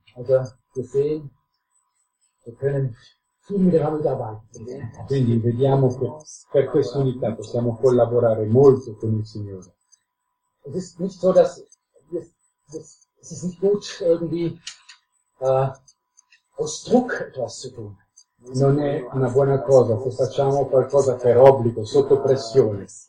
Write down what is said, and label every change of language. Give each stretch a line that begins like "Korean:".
German: Also, wir sehen, wir können viel miteinander arbeiten.
Italian: Quindi vediamo che per questa unità possiamo collaborare molto con il Signore.
German: Es ist nicht so, dass es ist nicht gut irgendwie. Aus Druck etwas zu tun.
Italian: Non è una buona cosa se facciamo qualcosa per obbligo, sotto pressione.